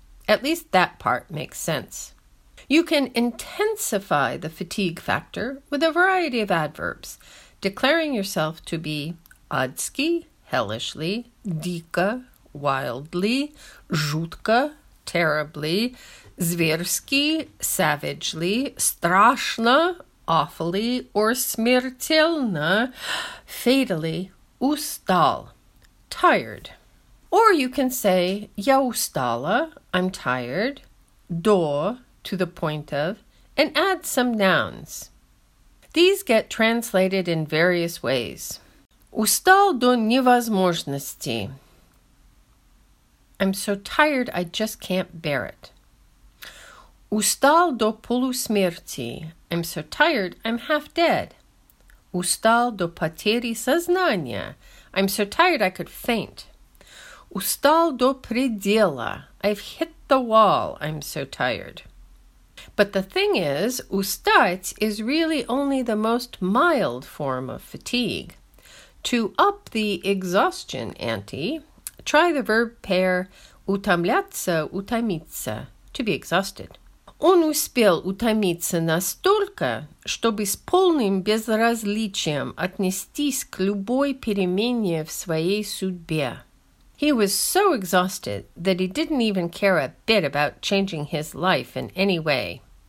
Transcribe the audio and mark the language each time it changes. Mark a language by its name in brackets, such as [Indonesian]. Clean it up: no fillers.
[English] At least that part makes sense. You can intensify the fatigue factor with a variety of adverbs, declaring yourself to be adsky, hellishly, dika, wildly, zhutka, terribly, zversky, savagely, strashna, awfully, or smirtelna, fatally, ustal, tired. Or you can say, [Russian] ya ustala, [English] I'm tired, do, to the point of, and add some nouns. These get translated in various ways. [Russian] Устал до невозможности. [English] I'm so tired I just can't bear it. [Russian] Устал до полусмерти. [English] I'm so tired I'm half dead. [Russian] Устал до потери сознания. [English] I'm so tired I could faint. [Russian] Устал до предела. [English] I've hit the wall. I'm so tired. But the thing is, ustat is really only the most mild form of fatigue. To up the exhaustion ante, try the verb pair utamlyatsya, utamitsya, to be exhausted. [Russian] Он успел утомиться настолько, чтобы с полным безразличием отнестись к любой перемене в своей судьбе. [English] He was so exhausted that he didn't even care a bit about changing his life in any way.